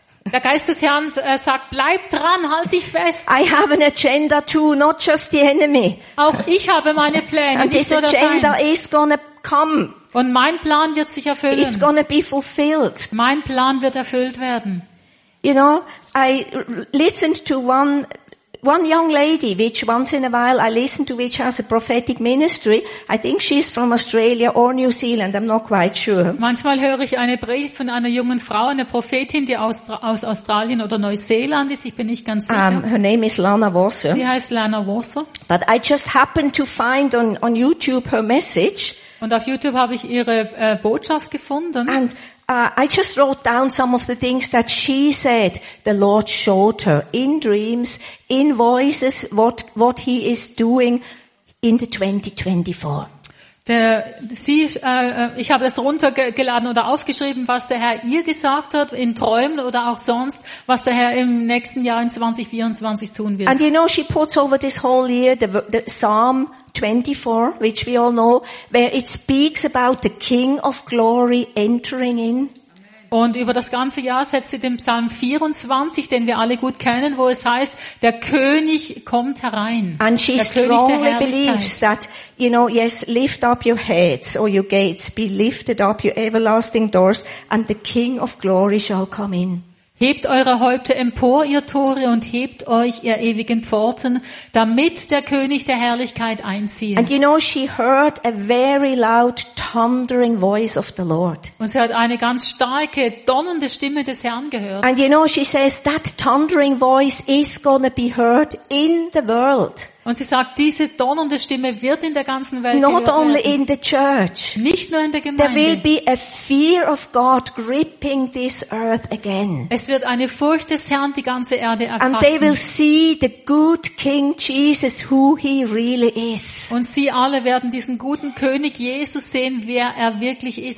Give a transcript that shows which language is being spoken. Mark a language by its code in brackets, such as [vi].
[de] Der Geist des Herrn sagt, bleib dran, halt dich fest. [en] I have an agenda too, not just the enemy. [de] Auch ich habe meine Pläne, [en] and this agenda is gonna come. [de] Und mein Plan wird sich erfüllen. [en] It's gonna be fulfilled. [de] Mein Plan wird erfüllt werden. [en] You know, I listened to one young lady, which once in a while I listen to, which has a prophetic ministry. I think she's from Australia or New Zealand. I'm not quite sure. [de] Manchmal höre ich eine Predigt von einer jungen Frau, einer Prophetin, die aus Australien oder Neuseeland ist. Ich bin nicht ganz sicher. [en] Her name is Lana Wasser. [de] Sie heißt Lana Wasser. [en] But I just happened to find on YouTube her message. [de] Und auf YouTube habe ich ihre Botschaft gefunden. [en] And I just wrote down some of the things that she said the Lord showed her in dreams, in voices, what he is doing in the 2024. [de] Ich habe das runtergeladen oder aufgeschrieben, was der Herr ihr gesagt hat in Träumen oder auch sonst, was der Herr im nächsten Jahr in 2024 tun wird. [en] And you know, she puts over this whole year the Psalm 24, which we all know, where it speaks about the King of Glory entering in. [de] Und über das ganze Jahr setzt sie den Psalm 24, den wir alle gut kennen, wo es heißt, der König kommt herein. [en] And she strongly believes that, you know, yes, lift up your heads, O you gates, be lifted up, you everlasting doors, and the King of Glory shall come in. [de] Hebt eure Häupter empor, ihr Tore, und hebt euch, ihr ewigen Pforten, damit der König der Herrlichkeit einziehe. [en] And you know, she heard a very loud thundering voice of the Lord. [de] Und sie hat eine ganz starke, donnernde Stimme des Herrn gehört. [en] And you know, she says, that thundering voice is gonna be heard in the world. [de] Und sie sagt, diese donnernde Stimme wird in der ganzen Welt [en] not [de] gehört [en] only [de] werden. [en] In the church. [de] Nicht nur in der Gemeinde. [en] There will be a fear of God gripping this earth again. [de] Es wird eine Furcht des Herrn die ganze Erde erfassen. [en] And they will see the good King Jesus, who he really is. [de] Und sie alle werden diesen guten König Jesus sehen, wer er wirklich ist.